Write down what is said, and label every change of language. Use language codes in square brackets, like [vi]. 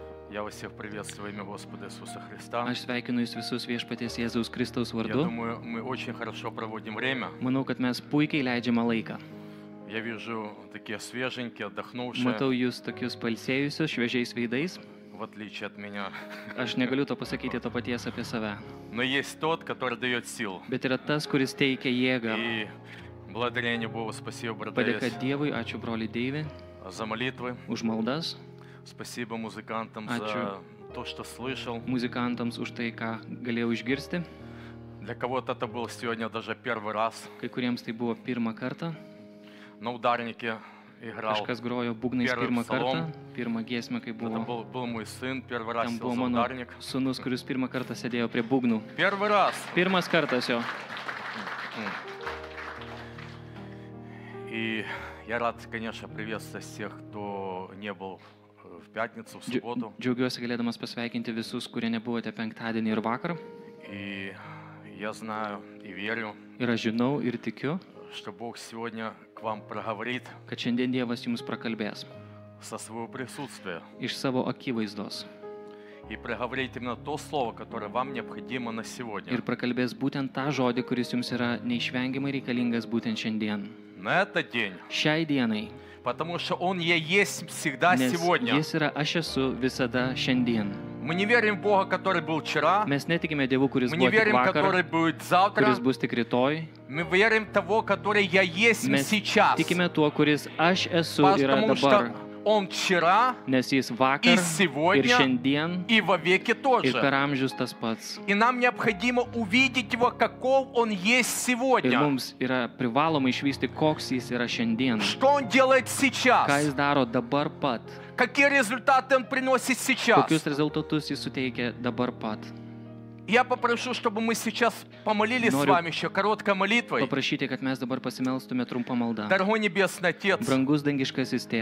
[ru] Я вас всех приветствую во имя Господа Иисуса Христа. [lt] Aš sveikinu jūs visus viešpaties Jėzaus Kristaus vardu. [ru] Я думаю, мы очень хорошо проводим время. [lt] Manau, kad mes puikiai leidžiame laiką. [ru] Я вижу такие свеженькие, отдохнувшие. [lt] Matau jūs tokius pailsėjusius, šviežiais veidais. [ru] В отличие от меня. [lt] Aš negaliu to pasakyti to paties apie save. [ru] Но есть тот, который дает сил. [lt] Bet yra tas, kuris teikia jėgą. [ru] И благодарение Богу, спасибо, брат. [lt] Padėka Dievui, ačiū, broli Deivi. [ru] За молитвы. [lt] Už maldas. [ru] Спасибо музыкантам за то, что слышал. [lt] Музыкантams už tai, ką galėjau išgirsti. [ru] Для кого-то это был сегодня даже первый раз. [lt] Kai kuriems tai buvo pirmą kartą. [ru] На ударнике играл. [lt] Kažkas grojo būgnais pirmą kartą. Pirmą giesmę, kai buvo. [ru] Это был мой сын, первый раз сел за ударник. [lt] Sūnus, kuris pirmą kartą sėdėjo prie būgnų. [ru] Первый раз. [lt] Pirmas kartas jo. [ru] И я рад, конечно, приветствовать всех, кто не был в пятницу, в субботу. [lt] Džiaugiuosi, galėdamas pasveikinti visus, kurie nebuvote penktadienį ir vakar. [ru] И я знаю и верю. [lt] Ir aš žinau ir tikiu, [ru] что Бог сегодня к вам проговорит. [lt] Kad šiandien Dievas jums prakalbės. [ru] Со своего присутствия. [lt] Iš savo akivaizdos. [ru] И проговорит именно то слово, которое вам необходимо на сегодня. [lt] Ir prakalbės būtent tą žodį, kuris jums yra neišvengiamai reikalingas būtent šiandien. [ru] На этот день. [lt] Šiai dienai. [ru] Потому что он я есть всегда [lt] Nes [ru] сегодня. [lt] Jis yra, aš esu visada šiandien. [ru] Мы не верим в Бога, который был вчера. [lt] Mes netikime Dievu, kuris [ru] Мы не верим, [lt] vakar, [ru] который будет завтра. [lt] Kuris bus tik rytoj. [ru] Мы верим того, который я есть [lt] Mes [ru] сейчас. [lt] Tikime tuo, kuris aš esu [ru] Потому [lt] yra dabar. [ru] Он вчера, [lt] Nes jis vakar, [ru] и сегодня, [lt] ir šiandien, [ru] и вовеки тоже. [lt] Ir per amžius tas pats. [ru] И нам необходимо увидеть его, каков он есть сегодня. [lt] Ir mums yra privaloma išvysti, koks jis yra šiandien. [ru] Что он делает сейчас? [lt] Ką jis daro dabar pat? [ru] Какие результаты он приносит сейчас? [lt] Kokius rezultatus jis suteikia dabar pat? [ru] Я попрошу, чтобы мы сейчас помолились [lt] Noriu [ru] с вами еще короткой молитвой. Попросите, как мы с тобой посмелстуме трумпа молда. Дорогой небесный отец. [lt] Брангус денгишкасис тебе.